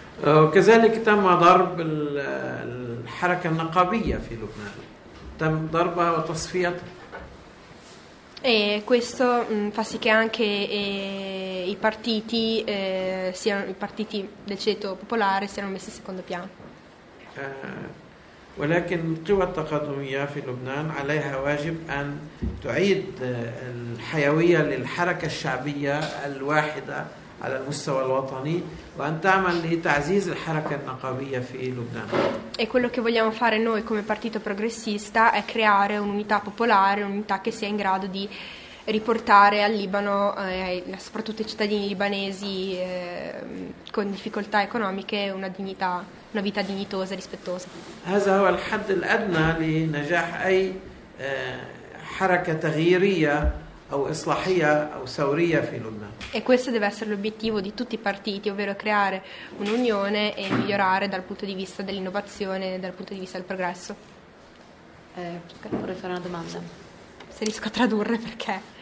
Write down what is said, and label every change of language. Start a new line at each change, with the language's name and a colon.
Arabic: وكذلك تم ضرب الحركة النقابية في لبنان، تم ضربها وتصفيتها.
Italian: E questo fa sì che anche i partiti del ceto popolare siano messi secondo piano.
Arabic: ولكن القوى التقدمية في لبنان عليها واجب أن تعيد الحيوية للحركة الشعبية الواحدة على المستوى الوطني وأن تعمل لتعزيز الحركة النقابية في لبنان.
Italian: E quello che vogliamo fare noi come partito progressista è creare un'unità popolare, un'unità che sia in grado di riportare al Libano, soprattutto i cittadini libanesi con difficoltà economiche, una dignità, una vita dignitosa e rispettosa.
Arabic: هذا هو الحد الأدنى لنجاح أي حركة تغييرية أو إصلاحية أو ثورية في لبنان.
Italian: E questo deve essere l'obiettivo di tutti i partiti, ovvero creare un'unione e migliorare dal punto di vista dell'innovazione, dal punto di vista del progresso. Vorrei fare una domanda. Se riesco a tradurre, perché?